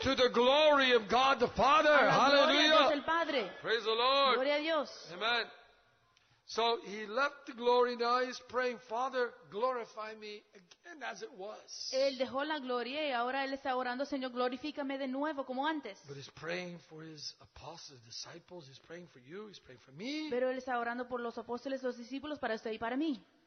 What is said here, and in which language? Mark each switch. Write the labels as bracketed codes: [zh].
[en] To the glory of God the Father. Hallelujah. [es] Gloria a Dios el Padre. [en] Praise the Lord. [es] Gloria a Dios. [en] Amen. So he left the glory, now he's praying, Father, glorify me again as it was. [es] Él dejó la gloria y ahora él está orando, Señor, glorifícame de nuevo como antes. [en] But he's praying for his apostles, disciples, he's praying for you, he's praying for me. [es] Pero él está orando por los apóstoles, los discípulos, para usted y para mí.